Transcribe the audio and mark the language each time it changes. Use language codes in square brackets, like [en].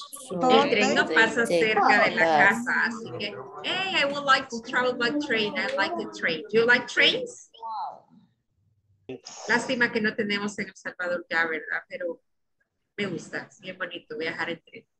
[es] El tren no pasa cerca de la casa. Así que, [en] hey, I would like to travel by train. I like the train. Do you like trains? [es] Lástima que no tenemos en El Salvador ya, ¿verdad? Pero me gusta, es bien bonito viajar en tren.